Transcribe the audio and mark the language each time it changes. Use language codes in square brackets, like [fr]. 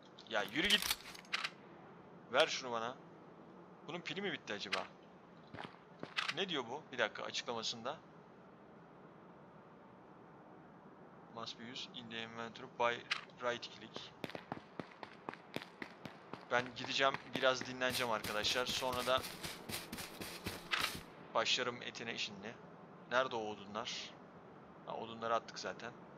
[tr] Ya yürü git. Ver şunu bana. Bunun pili mi bitti acaba? Ne diyor bu? Bir dakika açıklamasında. [en] Must be used in the inventory by right click. [tr] Ben gideceğim biraz dinleneceğim arkadaşlar. Sonra da başlarım etine şimdi. Nerede o odunlar? Ha, odunları attık zaten.